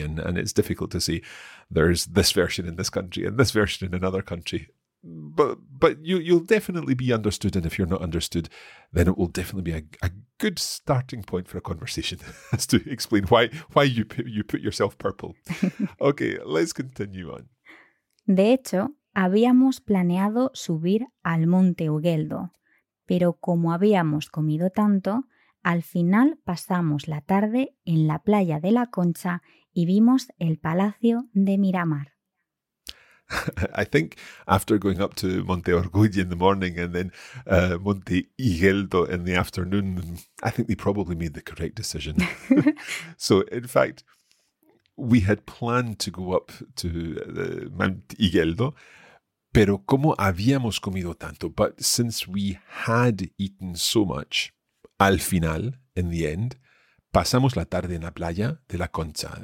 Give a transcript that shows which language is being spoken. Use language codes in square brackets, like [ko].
[en] And it's difficult to say there's this version in this country and this version in another country. But you'll definitely be understood, and if you're not understood, then it will definitely be a good starting point for a conversation as to explain why you put yourself purple. Okay, let's continue on. [es] De hecho, habíamos planeado subir al Monte Ugueldo, pero como habíamos comido tanto, al final pasamos la tarde en la playa de la Concha y vimos el Palacio de Miramar. [en] I think after going up to Monte Orgullo in the morning and then Monte Igeldo in the afternoon, I think they probably made the correct decision. So, in fact, we had planned to go up to Mount Igeldo, [es] pero como habíamos comido tanto, [en] but since we had eaten so much, [es] al final, [en] in the end, [es] pasamos la tarde en la playa de la Concha.